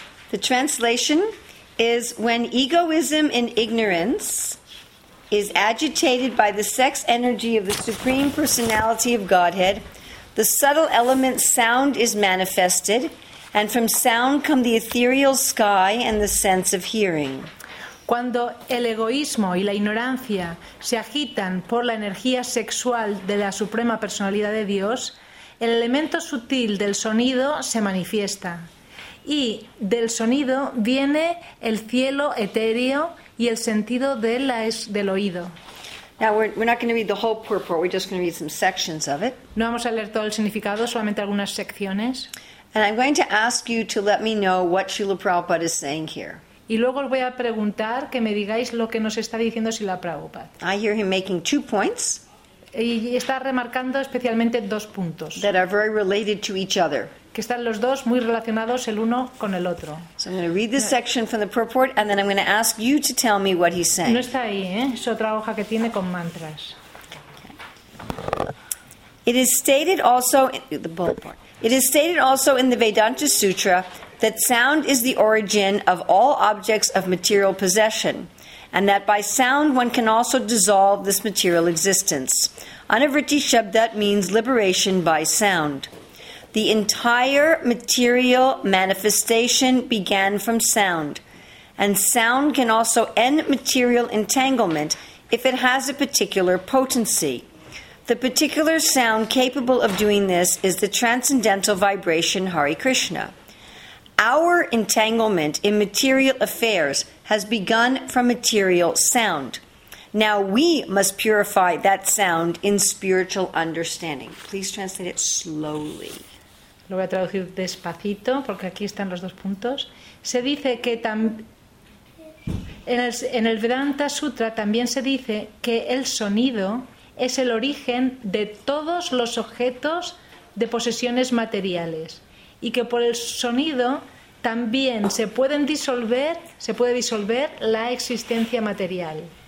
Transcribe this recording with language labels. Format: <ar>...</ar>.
<en>The translation is when egoism and ignorance is agitated by the sex energy of the Supreme Personality of Godhead, the subtle element sound is manifested, and from sound come the ethereal sky and the sense of hearing.</en> <es>Cuando el egoísmo y la ignorancia se agitan por la energía sexual de la Suprema Personalidad de Dios, el elemento sutil del sonido se manifiesta, y del sonido viene el cielo etéreo y el sentido de la del oído.</es> <en>Now we're not going to read the whole purport. We're just going to read some sections of it.</en> <es>No vamos a leer todo el significado, solamente algunas secciones.</es> <en>And I'm going to ask you to let me know what Srila Prabhupada is saying here.</en> <es>Y luego os voy a preguntar que me digáis lo que nos está diciendo Srila Prabhupada.</es> <en>I hear him making two points.</en> <es>Y está remarcando especialmente dos puntos</es> <en>that are very related to each other.</en> <es>Que están los dos muy relacionados el uno con el otro.</es> <en>So I'm going to read this section from the purport and then I'm going to ask you to tell me what he's saying.</en> <es>No está ahí, ¿eh? Es otra hoja que tiene con mantras.</es> <en>It is stated also in the bullet point. It is stated also in the Vedanta Sutra that sound is the origin of all objects of material possession, and that by sound one can also dissolve this material existence. Anavritti Shabdat means liberation by sound. The entire material manifestation began from sound, and sound can also end material entanglement if it has a particular potency. The particular sound capable of doing this is the transcendental vibration Hare Krishna. Our entanglement in material affairs has begun from material sound. Now we must purify that sound in spiritual understanding. Please translate it slowly.</en> <es>Lo voy a traducir despacito porque aquí están los dos puntos. Se dice que en el Vedanta Sutra también se dice que el sonido es el origen de todos los objetos de posesiones materiales y que por el sonido también se puede disolver la existencia material.</es>